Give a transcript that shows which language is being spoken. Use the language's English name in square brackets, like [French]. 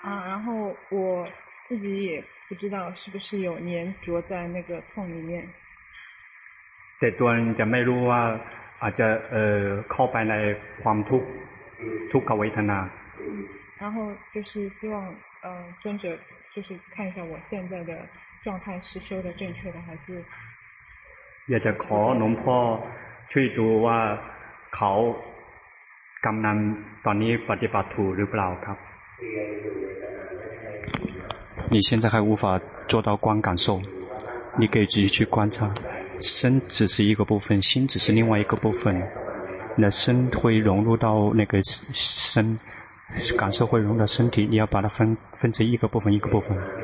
[Chinese] 然后我自己也不知道是不是有粘着在那个痛里面 [Thai] แต่ตัวจะไม่รู้ว่าอาจจะเข้าไปในความทุกขเวทนา [Chinese] 然后就是希望尊者就是看一下我现在的状态是修的正确的还是 [Thai] อยากจะขอหลวงพ่อช่วยดูว่าเขากำลังตอนนี้ปฏิบัติถูกหรือเปล่าครับ [Chinese] 你现在还无法做到观感受，你可以自己去观察。身只是一个部分，心只是另外一个部分，那身会融入到那个身，感受会融入到身体，你要把它分成一个部分一个部分。